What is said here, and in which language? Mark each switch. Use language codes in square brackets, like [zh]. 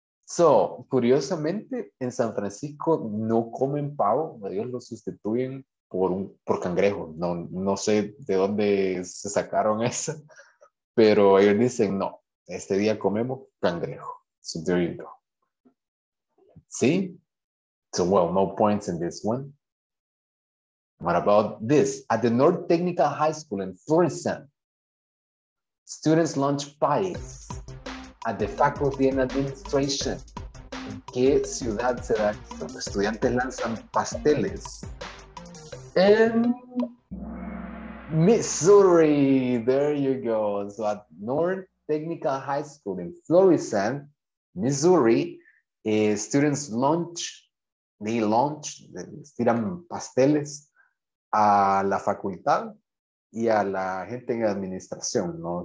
[es] So, curiosamente, en San Francisco no comen pavo, ellos lo sustituyen por cangrejo. No sé de dónde se sacaron eso, pero ellos dicen, no, este día comemos cangrejo. [en] So there you go. See? So, well, no points in this one. What about this? At the North Technical High School in Florissant, students launch pies at the Faculty and Administration. [es] ¿En qué ciudad será que los estudiantes lanzan pasteles? En [en] Missouri. There you go. So at North Technical High School in Florissant, Missouri, students [es] tiran pasteles a la facultad y a la gente en administración, ¿no?